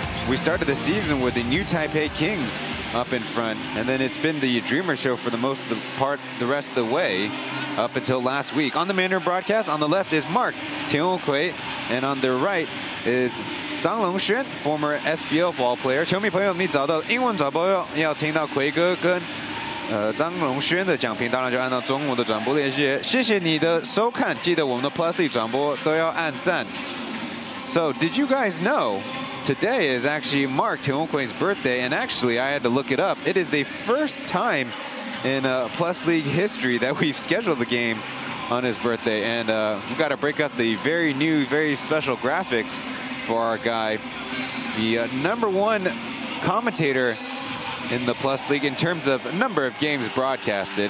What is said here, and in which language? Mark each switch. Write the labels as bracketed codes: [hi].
[en] We started the season with the new Taipei Kings up in front, and then it's been the Dreamer show for the most of the part the rest of the way up until last week. On the Mandarin broadcast, on the left is Mark Tianhongkui, and on their right is Zhang Longxuan, former SBL ball player. [zh] 球迷朋友，你找到英文导播，要听到奎哥跟 张龙轩的讲评，当然就按照中午的转播链接。谢谢你的收看，记得我们的 Plus 转播都要按赞。 [en] So did you guys know today is actually Mark Tianhongkui's birthday? And actually, I had to look it up. It is the first time in Plus League history that we've scheduled the game on his birthday. And we've got to break up the very new, very special graphics for our guy, the number one commentator in the Plus League in terms of number of games broadcasted.